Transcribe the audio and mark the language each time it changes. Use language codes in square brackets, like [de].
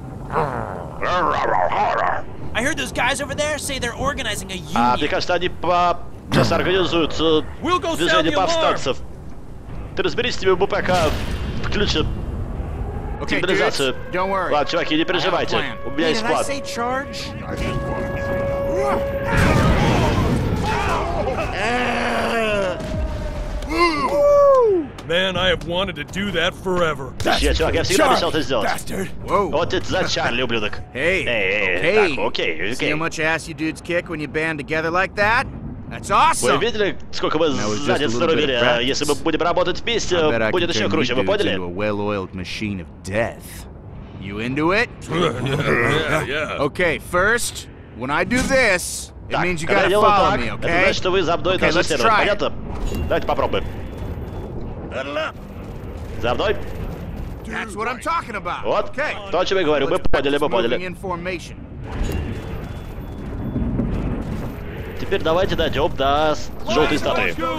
[en] I heard those guys over there say they're organizing a union. [ru] А, мне кажется, они сейчас организуют движение повстанцев. Ты разберись с ними, БПК включит сигнализацию. Ладно, чуваки, не переживайте. У меня есть план. [en] Man, I have wanted to do that forever. [ru] Я, чувак, я всегда мечтал это сделать. Whoa. Вот это за Чарли, ублюдок. Hey. [en] See how much ass you dudes kick when you band together like that? That's awesome. [ru] Вы видели, сколько мы задниц нарубили? Если мы будем работать вместе, будет еще круче, вы поняли? [en] You into a well-oiled machine of death. You into it? Yeah. Okay, first, when I do this, it means you gotta follow me, okay? [ru] Это значит, что вы за мной должны следовать, понятно? Давайте попробуем. За мной. [en] That's what I'm talking about. [ru] Вот, [en] okay. [ru] То, о чем я говорю, мы поняли, мы поняли. Теперь давайте дойдем до желтой статуи.